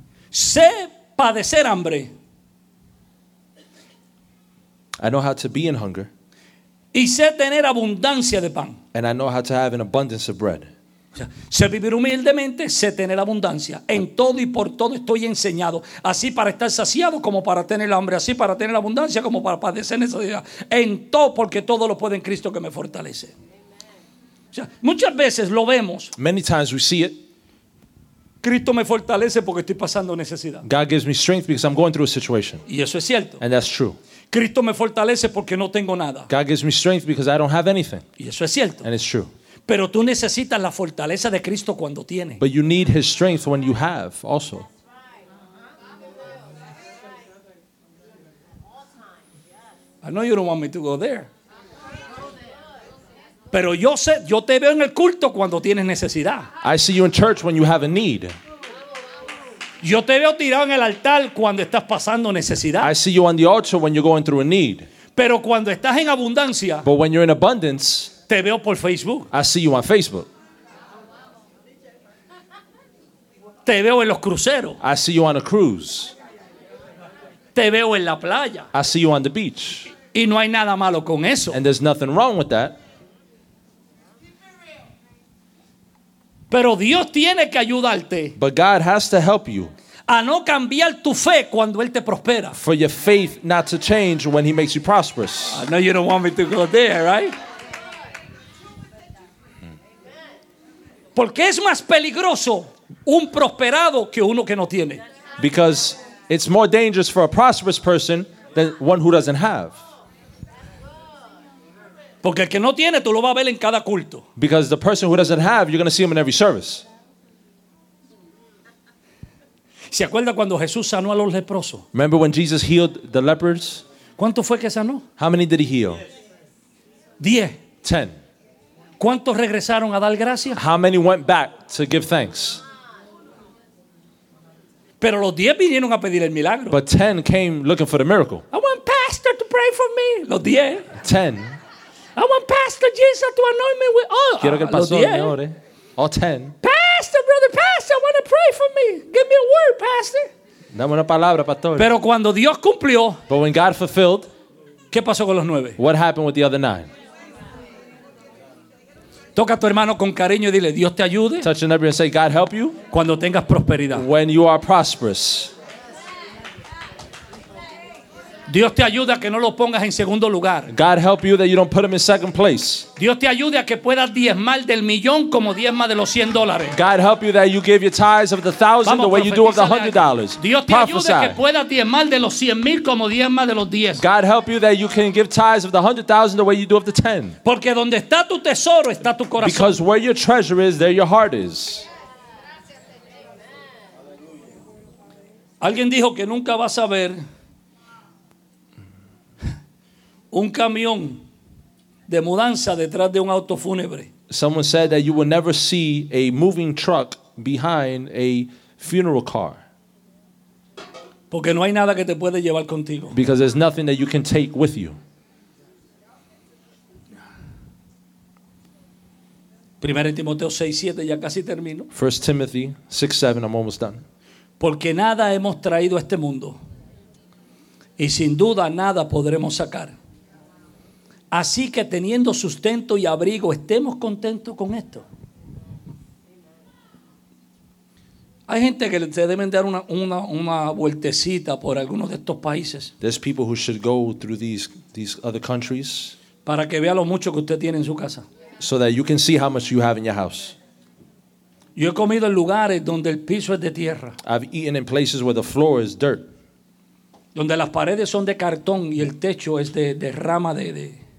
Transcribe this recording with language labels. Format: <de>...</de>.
<es>Sé padecer hambre.</es> <en>I know how to be in hunger.</en> <es>Y sé tener abundancia de pan.</es> <en>And I know how to have an abundance of bread.</en> <es>Sé vivir humildemente, sé tener abundancia. En todo y por todo estoy enseñado. Así para estar saciado como para tener hambre. Así para tener abundancia como para padecer necesidad. En todo, porque todo lo puede en Cristo que me fortalece. O sea, muchas veces lo vemos.</es> <en>Many times we see it.</en> <es>Cristo me fortalece porque estoy pasando necesidad.</es> <en>God gives me strength because I'm going through a situation.</en> <es>Y eso es cierto.</es> <en>And that's true.</en> <es>Cristo me fortalece porque no tengo nada.</es> <en>God gives me strength because I don't have anything.</en> <es>Y eso es cierto.</es> <en>And it's true.</en> <es>Pero tú necesitas la fortaleza de Cristo cuando tienes.</es> <en>But you need his strength when you have also. I know you don't want me to go there.</en> <es>Pero yo sé, yo te veo en el culto cuando tienes necesidad.</es> <en>I see you in church when you have a need.</en> <es>Yo te veo tirado en el altar cuando estás pasando necesidad.</es> <en>I see you on the altar when you're going through a need.</en> <es>Pero cuando estás en abundancia,</es> <en>but when you're in abundance,</en> <es>te veo por Facebook.</es> <en>I see you on Facebook.</en> <es>Te veo en los cruceros.</es> <en>I see you on a cruise.</en> <es>Te veo en la playa.</es> <en>I see you on the beach.</en> <es>Y no hay nada malo con eso.</es> <en>And there's nothing wrong with that.</en> <es>Pero Dios tiene que ayudarte.</es> <en>But God has to help you.</en> <es>A no cambiar tu fe cuando Él te prospera.</es> <en>For your faith not to change when He makes you prosperous. I know you don't want me to go there, right?</en> <es>Porque es más peligroso un prosperado que uno que no tiene.</es> <en>Because it's more dangerous for a prosperous person than one who doesn't have.</en> <es>Porque el que no tiene, tú lo vas a ver en cada culto.</es> <en>Because the person who doesn't have, you're going to see him in every service.</en> <es>¿Se acuerda cuando Jesús sanó a los leprosos?</es> <en>Remember when Jesus healed the lepers?</en> <es>¿Cuánto fue que sanó?</es> <en>How many did he heal?</en> <es>10.</es> <en>10.</en> <es>¿Cuántos regresaron a dar gracias?</es> <en>How many went back to give thanks?</en> <es>Pero los 10 vinieron a pedir el milagro.</es> <en>But 10 came looking for the miracle. I want pastor to pray for me.</en> <es>Los 10.</es> <en>10. I want Pastor Jesus to anoint me with oil.</en> <es>Quiero que el pastor me ore.</es> <en>All 10. Pastor, brother, pastor, I want to pray for me. Give me a word, pastor.</en> <es>Dame una palabra, pastor. Pero cuando Dios cumplió,</es> <en>but when God fulfilled,</en> <es>¿qué pasó con los 9?</es> <en>What happened with the other 9?</en> <es>Toca a tu hermano con cariño y dile, Dios te ayude.</es> <en>Touch your neighbor and say, God help you.</en> <es>Cuando tengas prosperidad.</es> <en>When you are prosperous.</en> <es>Dios te ayuda a que no lo pongas en segundo lugar.</es> <en>God help you that you don't put him in second place.</en> <es>Dios te ayude a que puedas diezmar del millón como diezma de los $100.</es> <en>God help you that you give your tithes of the thousand the way you do of the $100.</en> <es>Dios te ayude a que puedas diezmar de los 100,000 como diezma de los 10.</es> <en>God help you that you can give tithes of the 100,000 the way you do of the 10.</en> <es>Porque donde está tu tesoro está tu corazón.</es> <en>Because where your treasure is, there your heart is.</en> <es>Alguien dijo que nunca vas a ver un camión de mudanza detrás de un auto fúnebre.</es> <en>Someone said that you will never see a moving truck behind a funeral car.</en> <es>Porque no hay nada que te puede llevar contigo.</es> <en>Because there's nothing that you can take with you.</en> <es>Primera Timoteo 6:7, ya casi termino.</es> <en>1 Timothy 6:7, I'm almost done.</en> <es>Porque nada hemos traído a este mundo y sin duda nada podremos sacar. Así que teniendo sustento y abrigo, estemos contentos con esto. Hay gente que se deben dar una vueltecita por algunos de estos países.</es> <en>There's people who should go through these other countries.</en> <es>Para que vea lo mucho que usted tiene en su casa.</es> <en>So that you can see how much you have in your house.</en> <es>Yo he comido en lugares donde el piso es de tierra.</es> <en>I've eaten in places where the floor is dirt.</en> <es>Donde las paredes son de cartón y el techo es de rama de</es>